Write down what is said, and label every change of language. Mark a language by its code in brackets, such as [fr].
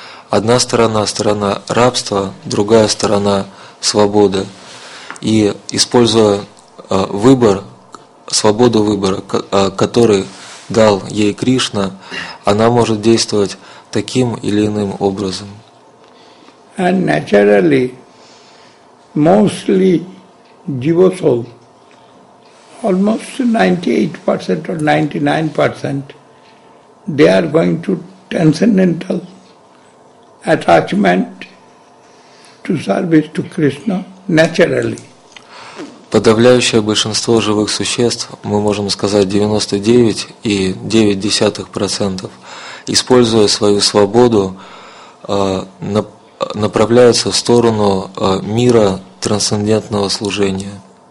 [ru] Одна сторона – сторона рабства, другая сторона – свобода. И используя выбор, свободу выбора, который дал ей Кришна, она может действовать таким или иным образом. [en] And naturally, mostly jiva soul, almost 98% or 99%, they are going to transcendental attachment to service to Krishna naturally. [ru] Подавляющее большинство живых существ, мы можем сказать 99.9%, используя свою свободу, направляются в сторону мира трансцендентного служения.